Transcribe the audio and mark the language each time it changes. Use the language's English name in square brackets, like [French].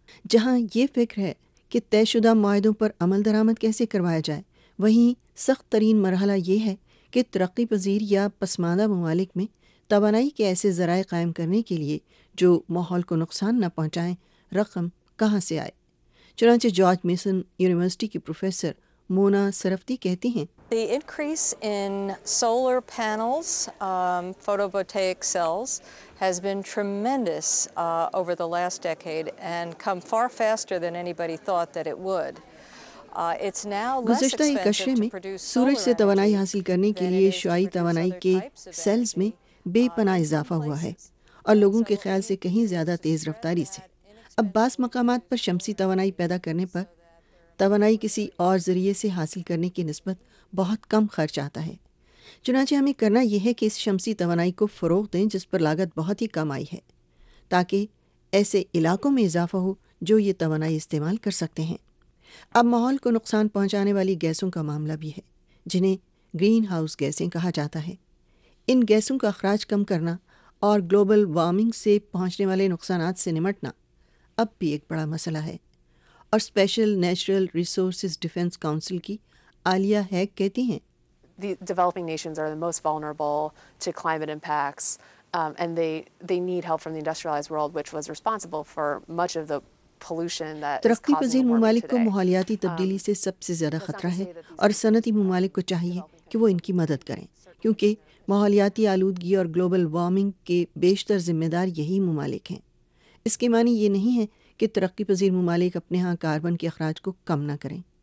[Urdu] جہاں یہ فکر ہے کہ طے شدہ معاہدوں پر عمل درآمد کیسے کروایا جائے، وہیں سخت ترین مرحلہ یہ ہے کہ ترقی پذیر یا پسماندہ ممالک میں توانائی کے ایسے ذرائع قائم کرنے کے لیے جو ماحول کو نقصان نہ پہنچائیں رقم کہاں سے آئے۔ چنانچہ جارج میسن یونیورسٹی کی پروفیسر مونا سرفتی کہتی ہیں، [English] The increase in solar panels, photovoltaic cells has been tremendous over the last decade and come far faster than anybody thought that it would. It's now less expensive to produce solar. [Urdu] سورج سے توانائی حاصل کرنے کے لیے شعاعی توانائی کے sales میں بے پناہ اضافہ ہوا ہے، اور لوگوں کے خیال سے کہیں زیادہ تیز رفتاری سے۔ اب بعض مقامات پر شمسی توانائی پیدا کرنے پر توانائی کسی اور ذریعے سے حاصل کرنے کی نسبت بہت کم خرچ آتا ہے۔ چنانچہ ہمیں کرنا یہ ہے کہ اس شمسی توانائی کو فروغ دیں جس پر لاگت بہت ہی کم آئی ہے، تاکہ ایسے علاقوں میں اضافہ ہو جو یہ توانائی استعمال کر سکتے ہیں۔ اب ماحول کو نقصان پہنچانے والی گیسوں کا معاملہ بھی ہے، جنہیں گرین ہاؤس گیسیں کہا جاتا ہے۔ ان گیسوں کا اخراج کم کرنا اور گلوبل وارمنگ سے پہنچنے والے نقصانات سے نمٹنا اب بھی ایک بڑا مسئلہ ہے، اور special natural resources defence council کی عالیہ ہیگ کہتی ہیں، [English] The developing nations are the most vulnerable to climate impacts and they need help from the industrialized world which was responsible for much of the pollution that is causing [Urdu] ترقی پذیر ممالک کو ماحولیاتی تبدیلی سے سب سے زیادہ خطرہ ہے، اور صنعتی ممالک کو چاہیے کہ وہ ان کی مدد کریں، کیونکہ ماحولیاتی آلودگی اور گلوبل وارمنگ کے بیشتر ذمہ دار یہی ممالک ہیں۔ اس کے معنی یہ نہیں ہے کہ ترقی پذیر ممالک اپنے ہاں کاربن کے اخراج کو کم نہ کریں،